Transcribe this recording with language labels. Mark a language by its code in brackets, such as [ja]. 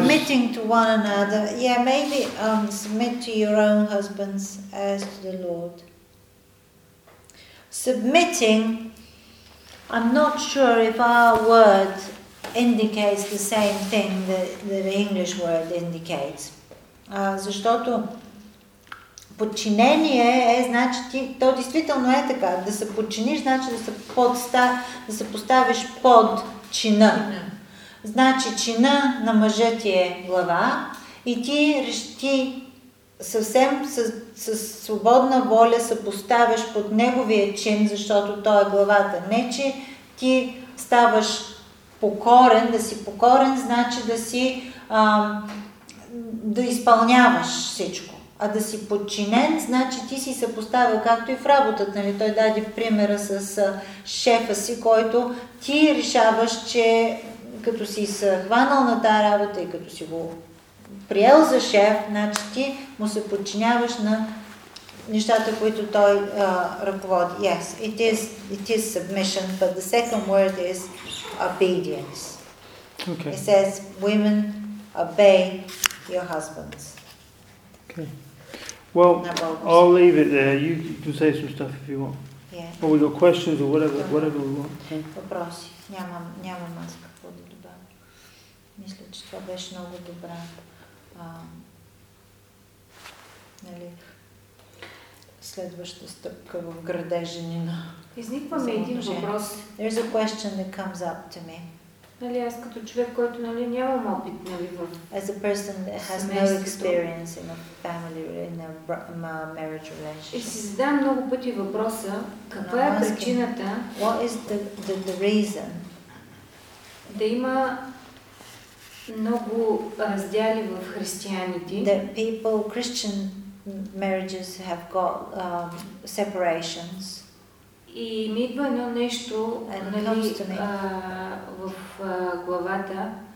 [en] Submitting to one another. Yeah, maybe submit to your own husbands as to the Lord. Submitting, I'm not sure if our word indicates the same thing that the English word indicates. [bg] Защото подчинение е, значи, то действително е така. Да се подчиниш, значи да се поставиш под... Чина. Значи чина на мъжа ти е глава и ти решти съвсем с свободна воля се поставяш под неговия чин, защото той е главата. Не, че ти ставаш покорен, да си покорен, значи да си да изпълняваш всичко. А да си подчинен, значи ти си се поставил както и в работата. Нали? Той даде примера с шефа си, който ти решаваш, че като си се хванал на тази работа и като си го приел за шеф, значи ти му се подчиняваш на нещата, които той ръководи. [en] Yes, it is submission, but the second word is obedience. Okay. It says, women, obey your husbands. Okay. Well, I'll leave it there. You can say some stuff if you want. Yeah. Or we've got questions or whatever we want. [bg] Въпроси. Нямам аз какво да добавя. Мисля, че това беше много добра. Нали, следваща стъпка в градеженина. Изниква ми един въпрос. [en] There's a question that comes up to me. [bg] Нали, аз като човек, който, нали, нямам опит, нали, в [en] As a person that has no experience in a family, in a marriage relationship. [bg] И си задам много пъти въпроса, каква е причината [en] What is the reason? [bg] Да има много раздяли в християните. [en] That people, Christian marriages have got separations. [bg] И ми идва едно нещо, нали, в главата.